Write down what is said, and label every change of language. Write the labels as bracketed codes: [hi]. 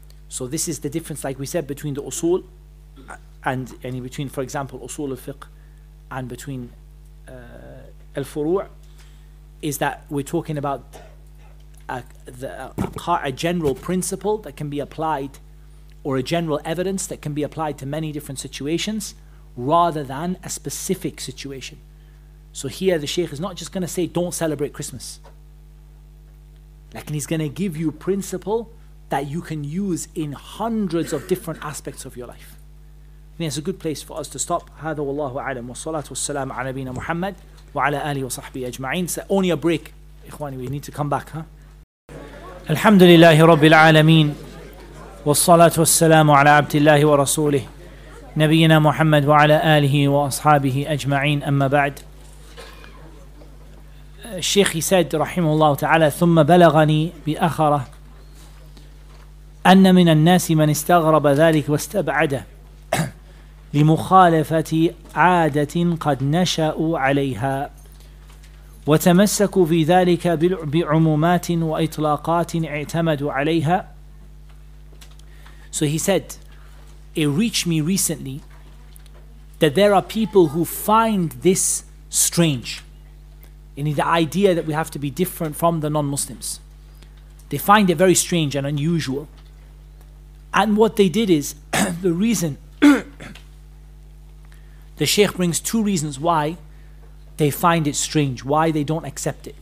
[en] So this is the difference, like we said, between the usul and any, between, for example, usul al-fiqh and between al-furu', is that we're talking about a general principle that can be applied, or a general evidence that can be applied to many different situations rather than a specific situation. So here the Shaykh is not just going to say don't celebrate Christmas, like, and he's going to give you principle that you can use in hundreds of different aspects of your life. And it's a good place for us to stop. [ar] هذا والله أعلم والصلاة والسلام على نبينا محمد وعلى آله وصحبه أجمعين. [en] So only a break, إخواني, we need to come back, huh? [ar] الحمد لله رب العالمين والصلاة والسلام على عبد الله ورسوله نبينا محمد وعلى آله وأصحابه أجمعين. أما بعد, الشيخ سيد رحمه الله تعالى, ثم بلغني بأخره أن من الناس من استغرب ذلك واستبعده لمخالفة عادة قد نشأوا عليها وتمسكوا في ذلك بعمومات وإطلاقات اعتمدوا عليها. [en] So he said, it reached me recently that there are people who find this strange, in the idea that we have to be different from the non-Muslims. They find it very strange and unusual. And what they did is, the reason, the Shaykh brings two reasons why they find it strange, why they don't accept it.